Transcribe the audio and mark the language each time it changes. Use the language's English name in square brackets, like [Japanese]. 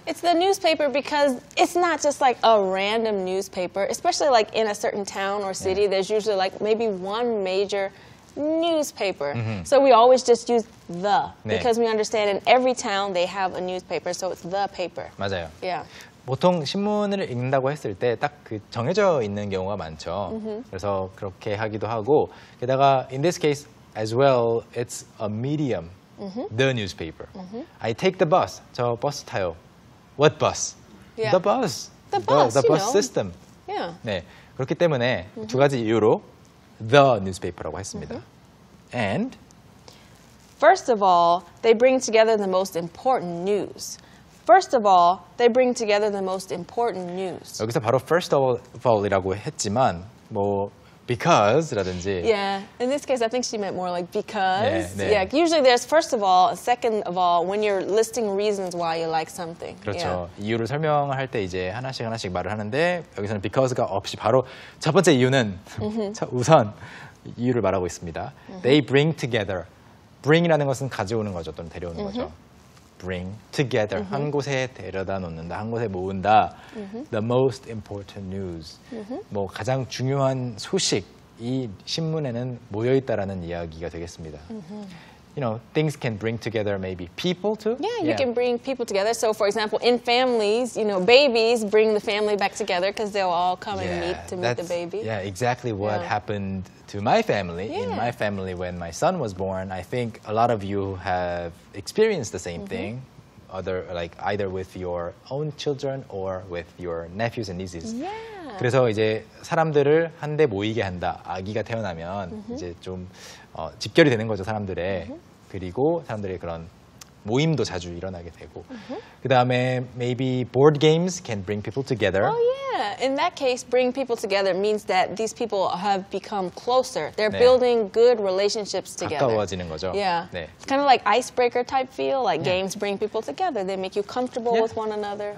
[English] It's the newspaper because it's not just like a random newspaper, especially like in a certain town or city, there's usually like maybe one major newspaper. So we always just use the, 네. because we understand in every town they have a newspaper, so it's the paper. [Korean] 맞아요. [English] Yeah. [Korean] 보통 신문을 읽는다고 했을 때 딱 그 정해져 있는 경우가 많죠. 그래서 그렇게 하기도 하고 게다가 [English] in this case as well, it's a medium, the newspaper. I take the bus. [Korean] 저 버스 타요. [English] What bus? Yeah. The bus. The bus, the bus know. System. Yeah. [Korean] 네, 그렇기 때문에 두 가지 이유로 the newspaper라고 했습니다. And? [English] First of all, they bring together the most important news. First of all, they bring together the most important news. [Korean] 여기서 바로 first of all이라고 했지만, 뭐 because라든지. [English] Yeah, in this case, I think she meant more like because. [Korean] 네, 네. [English] Yeah, usually there's first of all, second of all, when you're listing reasons why you like something. [Korean] 그렇죠. [English] Yeah. [Korean] 이유를 설명할 때 이제 하나씩 하나씩 말을 하는데 여기서는 because가 없이 바로 첫 번째 이유는 우선 이유를 말하고 있습니다. [English] They bring together. [Korean] Bring이라는 것은 가져오는 거죠, 또는 데려오는 거죠. [English] Bring together, [Korean] 한 곳에 데려다 놓는다, 한 곳에 모은다. [English] The most important news, [Korean] 뭐 가장 중요한 소식, 이 신문에는 모여있다라는 이야기가 되겠습니다. [English] You know, things can bring together maybe people too. Yeah, you can bring people together. So for example, in families, you know, babies bring the family back together because they'll all come and meet to meet the baby. Yeah, exactly what happened to my family. Yeah. In my family, when my son was born, I think a lot of you have experienced the same thing. Other, like either with your own children or with your nephews and nieces. Yeah. [Korean] 그래서 이제 사람들을 한데 모이게 한다. 아기가 태어나면 이제 좀 집결이 되는 거죠, 사람들의. 그리고 사람들의 그런 모임도 자주 일어나게 되고. 그 다음에 [English] maybe board games can bring people together. Oh yeah, in that case, bring people together means that these people have become closer. They're building good relationships together. [Korean] 가까워지는 거죠. [English] Yeah, [Korean] 네. [English] It's kind of like icebreaker type feel, like games bring people together. They make you comfortable with one another.